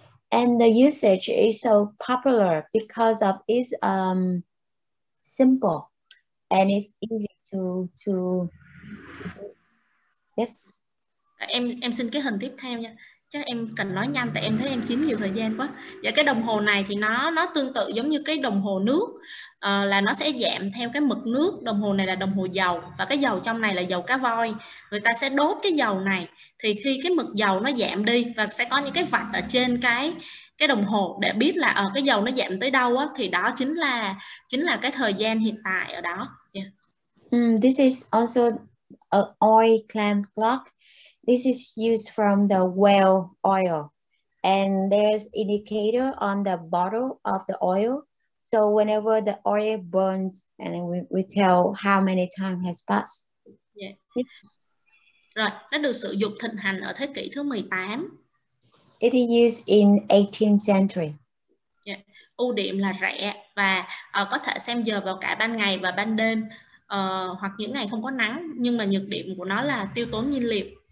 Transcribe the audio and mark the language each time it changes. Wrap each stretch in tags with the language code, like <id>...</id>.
<en>And the usage is so popular because of it's simple and it's easy to yes.</en> <vi>Em xin cái hình tiếp theo nha. Chắc em cần nói nhanh tại em thấy em chiếm nhiều thời gian quá. Và cái đồng hồ này thì nó tương tự giống như cái đồng hồ nước, là nó sẽ giảm theo cái mực nước. Đồng hồ này là đồng hồ dầu và cái dầu trong này là dầu cá voi. Người ta sẽ đốt cái dầu này thì khi cái mực dầu nó giảm đi và sẽ có những cái vạch ở trên cái đồng hồ để biết là cái dầu nó giảm tới đâu á, thì đó chính là cái thời gian hiện tại ở đó. Yeah.</vi> <en>This is also a oil clamp clock. This is used from the well oil, and there's indicator on the bottle of the oil. So whenever the oil burns, and then we tell how many time has passed. Yeah.</en> <vi>Rồi, nó được sử dụng thịnh hành ở thế kỷ thứ 18.</vi> <en>It is used in 18th century. Yeah.</en> <vi>Ưu điểm là rẻ và có thể xem giờ vào cả ban ngày và ban đêm, hoặc những ngày không có nắng, nhưng mà nhược điểm của nó là tiêu tốn nhiên liệu.</vi>